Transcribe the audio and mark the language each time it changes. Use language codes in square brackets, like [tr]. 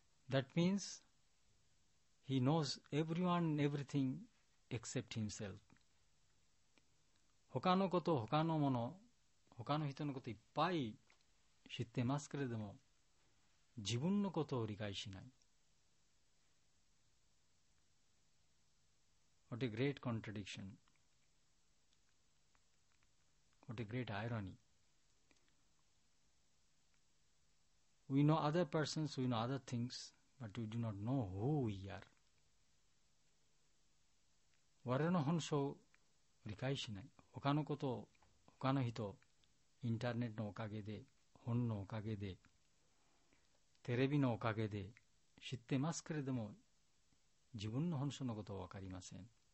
[en] That means, he knows everyone and everything except himself. [ja] 他のこと、他のもの、他の人のこといっぱい知ってますけれども、自分のことを理解しない。 [en] What a great contradiction. What a great irony. We know other persons, we know other things, but we do not know who we are. [ja] 我々の本性を理解しない。他のこと、他の人、インターネットのおかげで、本のおかげで、テレビのおかげで知ってますけれども、自分の本性のことは分かりません。